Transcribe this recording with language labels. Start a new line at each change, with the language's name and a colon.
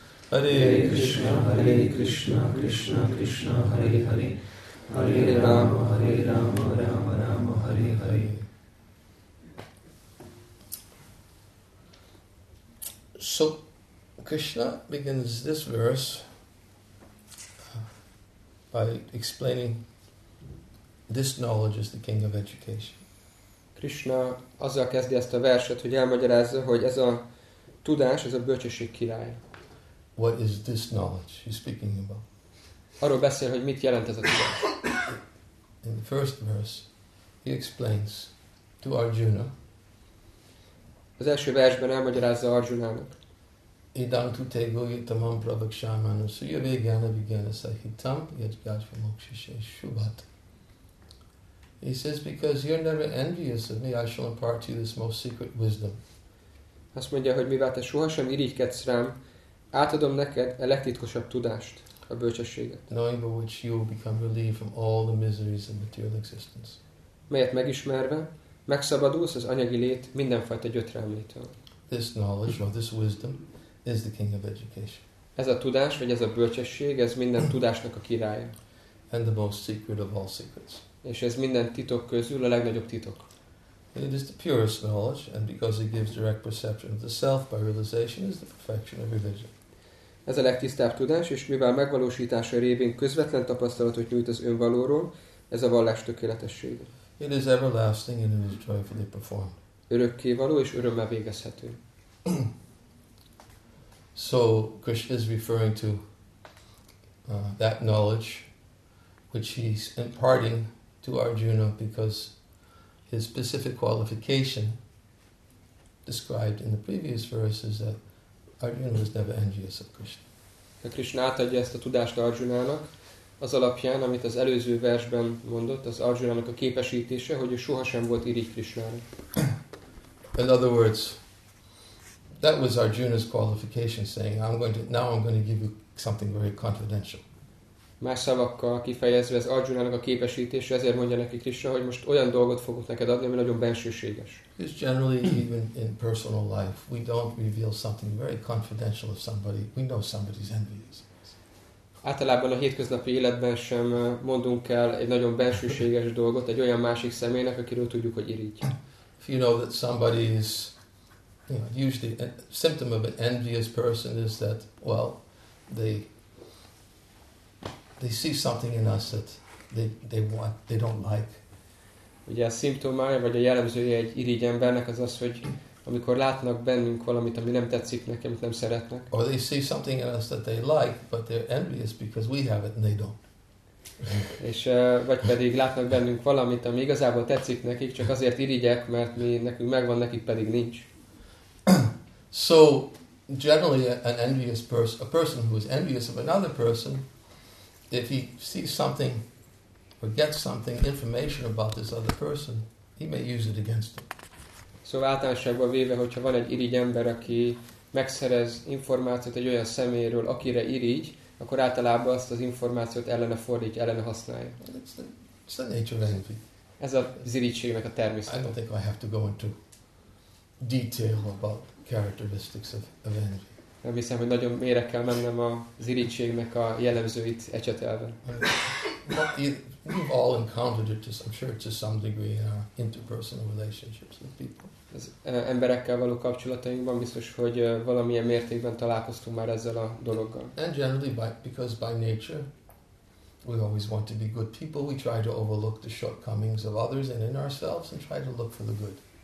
Sanskrit: Hare Krishna Krishna Krishna Hare Hare
English: Hare Rama Rama Rama Hare Hare So Krishna begins this verse by explaining this knowledge is the king of education.
Hungarian: Krishna azzal kezdi ezt a verset, hogy elmagyarázza, hogy ez a tudás, ez a bölcsesség királya.
English: What is this knowledge he's speaking about?
Hungarian: Arról beszél, hogy mit jelent ez a tudás.
English: In the first verse, he explains to Arjuna.
Hungarian: Az első versben elmagyarázza Arjunának.
Sanskrit: Idam tu te goyitamam pravakshamanu suyave gyana vigyana sahitam yajgajva mokshishe shubhata.
English: He says, because you're never envious of me, I shall impart to you this most secret wisdom.
Hungarian: Azt mondja, hogy mivel te sohasem irigykedsz rám, átadom neked a legtitkosabb tudást, a bölcsességet.
English: Knowing by which you will become relieved from all the miseries of material existence.
Hungarian: Melyet megismerve, megszabadulsz az anyagi lét mindenfajta gyötrelmétől.
English: This knowledge, or this wisdom, is the king of education.
Hungarian: Ez a tudás, vagy ez a bölcsesség, ez minden tudásnak a királya.
English: And the most secret of all secrets.
Hungarian: És ez minden titok közül a legnagyobb titok.
English: It is the purest knowledge, and because it gives direct perception of the self by realization, is the perfection of religion.
Hungarian: Ez a legtisztább tudás, és mivel megvalósítása révén közvetlen tapasztalatot nyújt az önvalóról, ez a vallás tökéletessége.
English: It is everlasting and it is joyfully performed.
Hungarian: Örökkévaló és örömmel végezhető.
English: So Krishna is referring to that knowledge which he's imparting to Arjuna because his specific qualification described in the previous verse is that Arjuna was never envious of Krishna.
Hungarian: De Krishna átadja ezt a tudást Arjunának, az alapján, amit az előző versben mondott, az Arjunának a képesítése, hogy ő sohasem volt irigy Krishnára.
English: In other words, that was Arjuna's qualification, saying, "I'm going to give you something very confidential."
Hungarian: Más szavakkal kifejezve, ez Arjunának a képesítése, ezért mondja neki Krishna, hogy most olyan dolgot fogok neked adni, ami nagyon bensőséges.
English: It's generally even in personal life, we don't reveal something very confidential of somebody. We know somebody's envious.
Hungarian: Általában a hétköznapi életben sem mondunk el egy nagyon bensőséges dolgot egy olyan másik személynek, akiről tudjuk, hogy irigy.
English: If you know that somebody is, usually a symptom of an envious person is that, they see something in us that they want, they don't like.
Hungarian: Ugye a szimptomája, vagy a jellemzője egy irigy embernek az az, hogy amikor látnak bennünk valamit, ami nem tetszik neki, amit nem szeretnek.
English: Or they see something in us that they like, but they're envious because we have it and they don't.
Hungarian: És vagy pedig látnak bennünk valamit, ami igazából tetszik nekik, csak azért irigyek, mert mi nekünk megvan, nekik pedig nincs.
English: So generally an envious person, a person who is envious of another person, if he sees something or gets something information about this other person, he may use it against him.
Hungarian: Szóval általánosságban véve, hogyha van egy irigy ember, aki megszerez információt egy olyan személyről, akire irigy, akkor általában azt az információt ellene fordítja, ellene használja.
English: It's the nature of envy.
Hungarian: Ez az irigységnek a természet.
English: I don't think I have to go into detail about characteristics of envy.
Hungarian: Nem hiszem, hogy nagyon mélyre kell mennem az irigységnek a jellemzőit ecsetelve.
English: We've all encountered it, I'm sure, to some degree in our interpersonal relationships with people.
Hungarian: Az emberekkel való kapcsolatainkban biztos, hogy valamilyen mértékben találkoztunk már ezzel a dologgal.
English: And generally, because by nature, we always want to be good people, we try to overlook the shortcomings of others and in ourselves and try to look for the good.